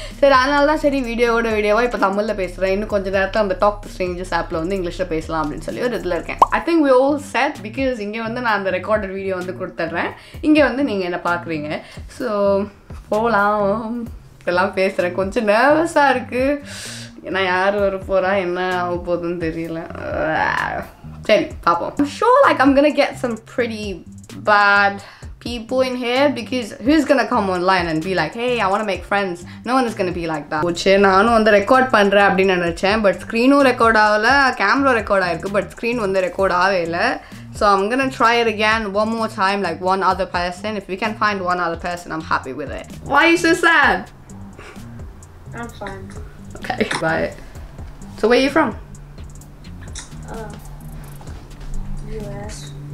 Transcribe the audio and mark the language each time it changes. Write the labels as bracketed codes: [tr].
[ta] சரி, அதனால தான் சரி வீடியோவோட வீடியோவாக இப்போ தமிழில் பேசுகிறேன். இன்னும் கொஞ்சம் நேரத்தில் அந்த டாக் ஸ்ட்ரேஞ்சர்ஸ் ஆப்பில் வந்து இங்கிலீஷில் பேசலாம் அப்படின்னு சொல்லி ஒரு இதில் இருக்கேன். [en] I think we all said, because [ta] இங்கே வந்து நான் அந்த ரெக்கார்டட் வீடியோ வந்து கொடுத்துட்றேன். இங்கே வந்து நீங்கள் என்ன பார்க்குறீங்க. ஸோ போகலாம், இதெல்லாம் பேசுகிறேன். கொஞ்சம் நர்வஸாக இருக்குது, ஏன்னா யார் வர போகிறா, என்ன ஆக போகுதுன்னு தெரியல. சரி பார்ப்போம். [en] I'm sure like I'm gonna get some pretty bad people in here, because who's gonna come online and be like, hey, I want to make friends? No one is gonna be like that. [ta] ஓச்சு, நானும் வந்து record பண்ணுறேன் அப்படின்னு நினச்சேன். But ஸ்க்ரீனும் record ஆகலை, camera record ஆகிருக்கு, but screen வந்து record ஆகவே இல்லை. [en] So I'm gonna try it again one more time, like one other person. If we can find one other person, I'm happy with it. Why are you so sad? I'm fine. Okay, bye. So where are you from? US.